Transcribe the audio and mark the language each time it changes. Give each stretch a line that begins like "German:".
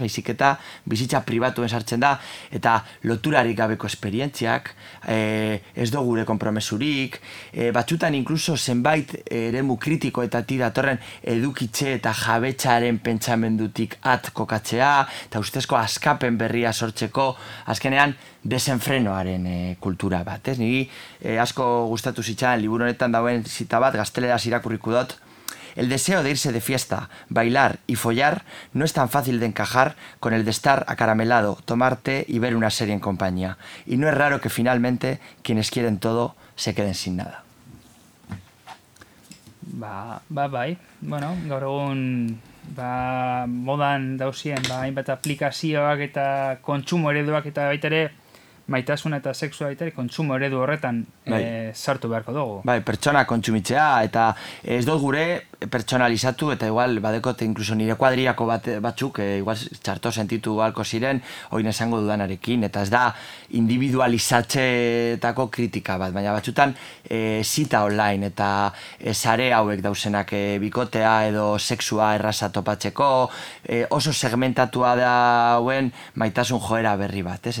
Basque: Baizik eta bizitza pribatuen sartzen da, eta loturarik gabeko esperientziak, ez do gure konpromesurik, batxutan inkluso zenbait eremu kritiko eta tiratorren edukitze eta jabetxare pentsamendutik at kokatzea eta ustezko askapen berria sortzeko azkenean desenfrenoaren kultura bat, ez? Niri asko gustatu zitzaen liburu honetan dauen zita bat, gazteleraz irakurriko dut:
Spanish: el deseo de irse de fiesta, bailar y follar no es tan fácil de encajar con el de estar acaramelado, tomar té y ver una serie en compañía, y no es raro que finalmente quienes quieren todo se queden sin nada.
Basque: Bai, bueno, gaur egun ba, modan dauzien, ba, hainbat aplikazioak eta kontsumo ereduak eta baita ere maitasuna eta sexualitate kontsumo eredu horretan sartu beharko dugu. Bai, pertsona kontsumitzea, eta ez dut gure pertsonalizatu, eta igual badekot inkluso nire kuadriako batzuk igual txarto sentitu galko ziren oin esango dudanarekin, eta ez da individualizatzeetako kritika bat, baina batzutan zita online eta sare hauek dauzenak bikotea edo sexua erraza topatzeko oso segmentatua da hauen maitasun joera berri bat, ez?